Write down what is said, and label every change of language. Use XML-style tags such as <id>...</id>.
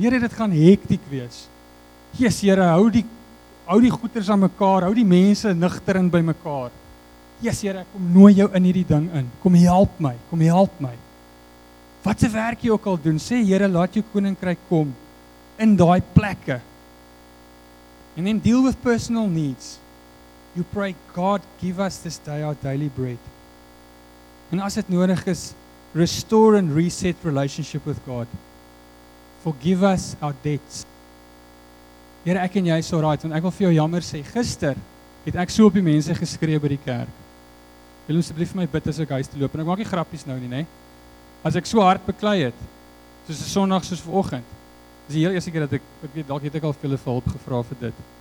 <af>Here, dit gaan hektiek wees. Jesus, Here, hou die goeders aan mekaar, hou die mense nigter in by mekaar. Jesus, Here, ek kom nooi jou in hierdie ding in. Kom help my. Wat se werk jy ook al doen, sê Here, laat jou koninkryk kom in daai plekke.</af> <en>And then deal with personal needs. You pray, God, give us this day our daily bread.</en> <af>En as dit nodig is,</af> <en>restore and reset relationship with God. Forgive us our debts.</en> <af>Here, ek en jy is alright, want ek wil vir jou jammer sê, gister het ek so op die mense geskree by die kerk. Wil asseblief vir my bid as ek huis toe loop, en ek maak nie grappies nou nie, as ek so hard beklei het, soos 'n Sondag soos vanoggend, is die heel eerste keer dat ek weet, dalk het ek al vir hulle hulp gevra vir dit.</af>